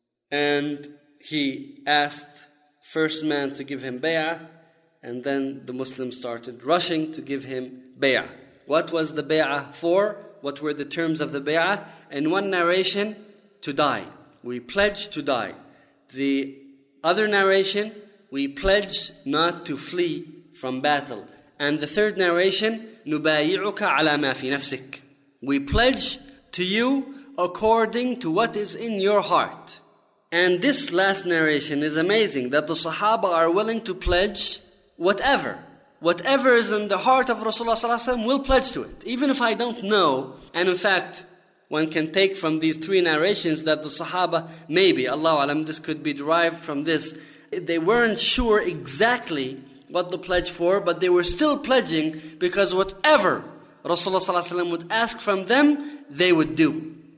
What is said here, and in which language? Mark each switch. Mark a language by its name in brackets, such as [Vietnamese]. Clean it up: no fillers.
[English] And he asked first man to give him bay'ah, and then the Muslims started rushing to give him bay'ah. What was the bay'ah for? What were the terms of the bay'ah? In one narration, to die. We pledge to die. The other narration, we pledge not to flee from battle. And the third narration, [Arabic] نُبَايِعُكَ عَلَى مَا فِي نَفْسِكَ. [English] We pledge to you according to what is in your heart. And this last narration is amazing, that the Sahaba are willing to pledge whatever. Whatever is in the heart of Rasulullah ﷺ, we'll pledge to it. Even if I don't know, and in fact, one can take from these three narrations that the Sahaba, maybe, Allahu alam, this could be derived from this, they weren't sure exactly what the pledge for, but they were still pledging because whatever Rasulullah ﷺ would ask from them, they would do.